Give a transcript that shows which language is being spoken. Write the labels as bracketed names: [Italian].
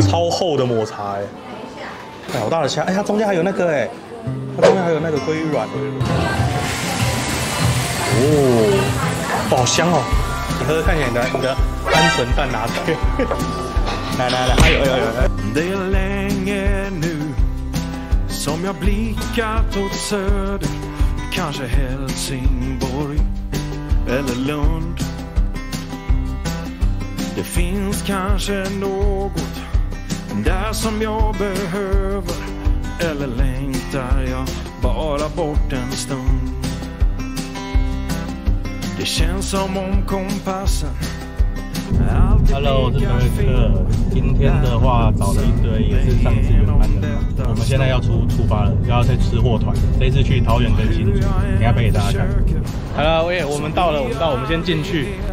[Chinese] 厚的抹茶哎、欸，好大的虾！哎、欸，它中间还有那个哎、欸，它中间还有那个鲑鱼卵。哦，好香哦！你喝看起来你的鹌鹑蛋拿出来，来来来，哎呦哎呦哎呦！ [Swedish] Det är länge nu som jag blickat åt söder, kanske Helsingborg eller Lund. Det finns kanske något där som jag behöver, eller längtar jag bara bort en stund. Det känns som om kompassen. [Chinese] Hello， 我是德瑞克。今天的话找了一堆也是上次原班的嘛，我们现在要出发了，要去吃货团。这次去桃园跟新竹，等下背给大家看。 Hello， 我们到了，我们先进去。